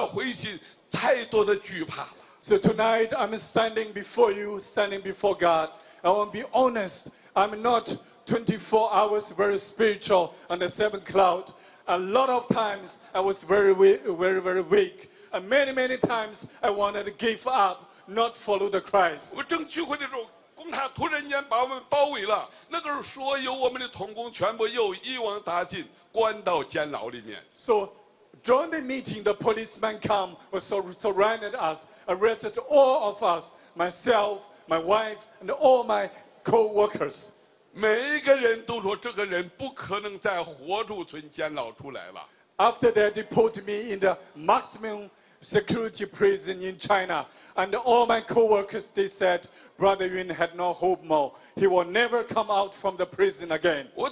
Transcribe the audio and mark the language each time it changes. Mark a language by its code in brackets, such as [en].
[zh] 我今天站在这里做见证，我想告诉弟兄姊妹，我不是24小时都是属灵的，我经历过太多的失败，太多的灰心，太多的惧怕了。 [en] So tonight, I'm standing before you, standing before God. I want to be honest, I'm not 24 hours very spiritual on the seventh cloud. A lot of times I was very weak. And many times I wanted to give up, not follow the Christ. [zh] 我正聚会的时候，共产突然间把我们包围了，那个时候所有我们的同工全部又一网打尽，关到监牢里面。 [en] So during the meeting, the policeman came, was surrounded us, arrested all of us, myself, my wife, and all my co-workers. [zh] 每一个人都说这个人不可能再活着从监牢出来了。 [en] After that, they put me in the maximum security prison in China, and all my co-workers, they said, Brother Yun had no hope more. He will never come out from the prison again.